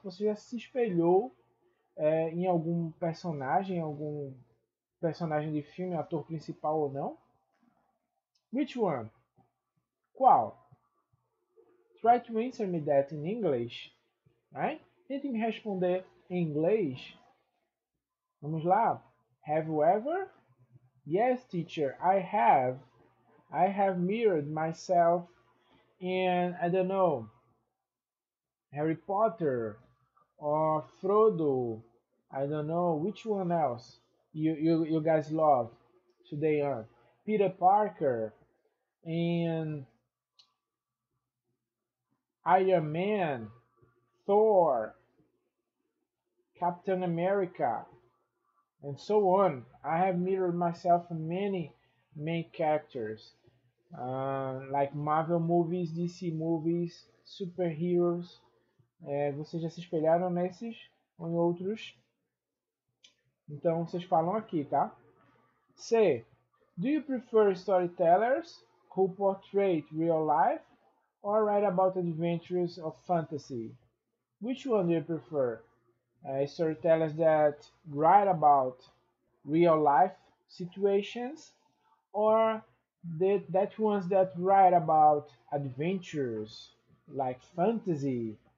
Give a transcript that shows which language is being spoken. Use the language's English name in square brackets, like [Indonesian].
[Portuguese] Você já se espelhou em algum personagem, de filme, ator principal ou não? [English] Which one? [Portuguese] Qual? [English] Try to answer me that in English, right? [Portuguese] Tente me responder em inglês. Vamos lá. [English] Have you ever? Yes, teacher, I have. I have mirrored myself in, I don't know, Harry Potter or Frodo. I don't know which one else you guys love today on Peter Parker and Iron Man, Thor, Captain America, and so on. I have mirrored myself in many main characters, like Marvel movies, DC movies, superheroes. [Portuguese] Vocês já se espelharam nesses ou em outros? Então vocês falam aqui, tá? C. [English] Do you prefer storytellers who portray real life or write about adventures of fantasy? Which one do you prefer? Storytellers that write about real life situations or that ones that write about adventures like fantasy?